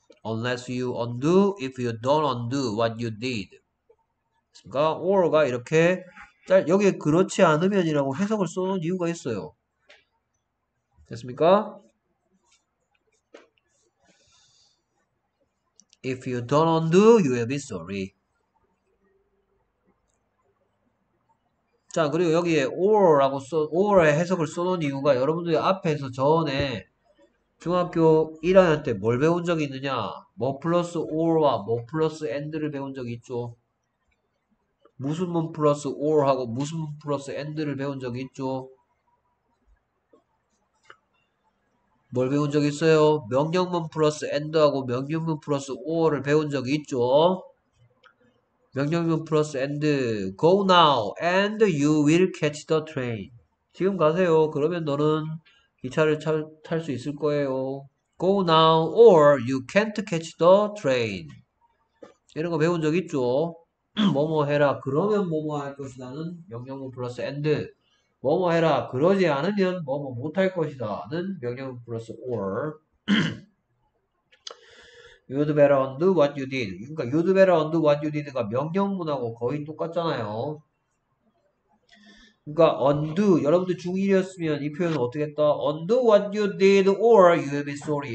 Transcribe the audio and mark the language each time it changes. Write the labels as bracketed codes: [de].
[en] Unless you undo, if you don't undo what you did. [ko] 그러니까 or가 이렇게 여기에 그렇지 않으면이라고 해석을 써놓은 이유가 있어요. 됐습니까? [en] If you don't undo, you will be sorry. [ko] 자, 그리고 여기에 or라고 써, or의 해석을 써놓은 이유가 여러분들이 앞에서 전에 중학교 1학년 때뭘 배운 적이 있느냐? 뭐 플러스 or와 뭐 플러스 and를 배운 적이 있죠? 무슨 문 플러스 or하고 무슨 문 플러스 and를 배운 적이 있죠? 뭘 배운 적 있어요? 명령문 플러스 and하고 명령문 플러스 or를 배운 적이 있죠? 명령문 플러스 and. [en] Go now and you will catch the train. [ko] 지금 가세요. 그러면 너는 기차를 탈수 있을 거예요. [en] Go now or you can't catch the train. [ko] 이런 거 배운 적 있죠? 뭐뭐 해라. 그러면 뭐뭐 할 것이다는 명령문 플러스 and. 뭐뭐 해라. 그러지 않으면 뭐뭐 못할 것이다. 는 명령 플러스 or. [en] You'd better undo what you did. [ko] 그러니까 [en] you'd better undo what you did가 [ko] 명령문하고 거의 똑같잖아요. 그러니까 [en] undo. [ko] 여러분들 중1이었으면 이 표현은 어떻게 했다? [en] Undo what you did or you'll be sorry.